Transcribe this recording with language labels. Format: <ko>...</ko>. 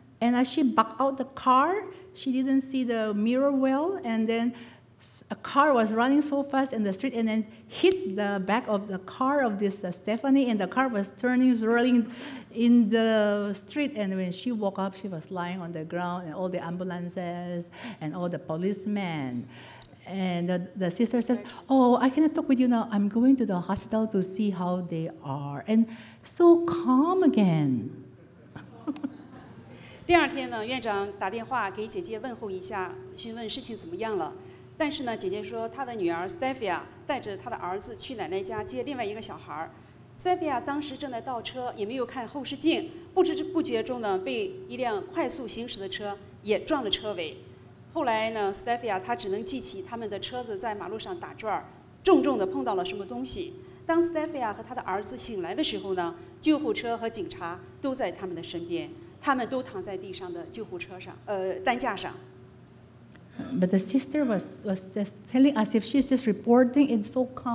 <en>And as she backed out the car, she didn't see the mirror well, and then a car was running so fast in the street and then hit the back of the car of this Stephanie, and the car was turning, rolling in the street. And when she woke up, she was lying on the ground, and all the ambulances and all the policemen. And the sister says, oh, I cannot talk with you now. I'm going to the hospital to see how they are. And so calm again.</en> <zh>第二天呢，院长打电话给姐姐问候一下，询问事情怎么样了。但是呢，姐姐说她的女儿 Stephia 带着她的儿子去奶奶家接另外一个小孩。 Stephia 当时正在倒车，也没有看后视镜，不知不觉中呢，被一辆快速行驶的车也撞了车尾。后来呢 ，Stephia 她只能记起他们的车子在马路上打转，重重地碰到了什么东西。当 Stephia 和她的儿子醒来的时候呢，救护车和警察都在他们的身边。他们都躺在地上的救护车上，担架上。</zh> <en>But the sister was just telling us if she's just reporting it so calmly.</en>